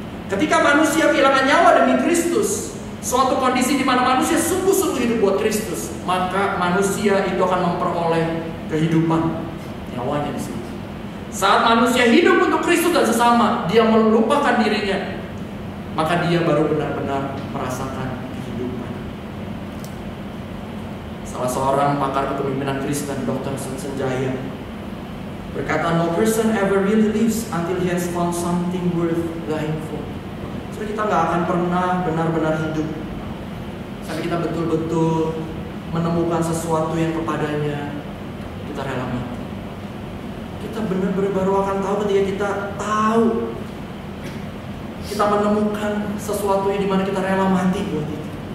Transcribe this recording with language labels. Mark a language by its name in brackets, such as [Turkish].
[Indonesian] Ketika manusia kehilangan nyawa demi Kristus, suatu kondisi di mana manusia sungguh-sungguh hidup buat Kristus, maka manusia itu akan memperoleh kehidupan nyawanya di sini. Saat manusia hidup untuk Kristus dan sesama, dia melupakan dirinya, maka dia baru benar-benar merasakan. Salah seorang pakar kepemimpinan Kristen, Dr. [English] Sunsen Jaya, [Indonesian] berkata, [English] no person ever really lives until he has found something worth dying for. [Indonesian] Jadi kita gak akan pernah benar-benar hidup sampai kita betul-betul menemukan sesuatu yang kepadanya kita rela mati. Kita benar-benar baru akan tahu ketika kita tahu, kita menemukan sesuatu yang dimana kita rela mati buat itu.